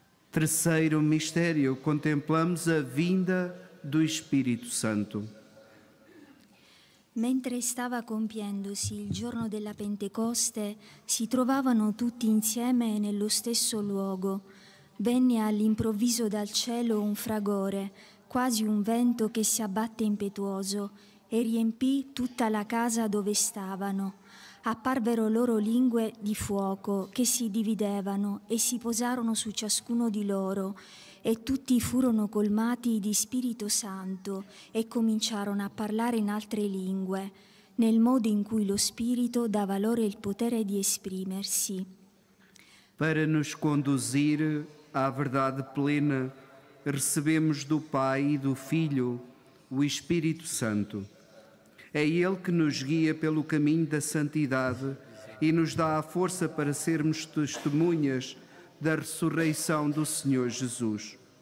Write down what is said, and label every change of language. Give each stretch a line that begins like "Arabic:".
Portuguese: Terceiro mistério, contemplamos a vinda do Espírito Santo.
Italian: Mentre stava compiendosi il giorno della Pentecoste, si trovavano tutti insieme nello stesso luogo. Venne all'improvviso dal cielo un fragore, quasi un vento che si abbatte impetuoso, e riempì tutta la casa dove stavano. Apparvero loro lingue di fuoco che si dividevano e si posarono su ciascuno di loro e tutti furono colmati di Spirito Santo e cominciarono a parlare in altre lingue, nel modo in cui lo Spirito dava loro il potere di esprimersi.
Portuguese: Per nos conduzire à verdade plena, recebemos do Pai e do Filho o Espírito Santo. É Ele que nos guia pelo caminho da santidade e nos dá a força para sermos testemunhas da ressurreição do Senhor Jesus.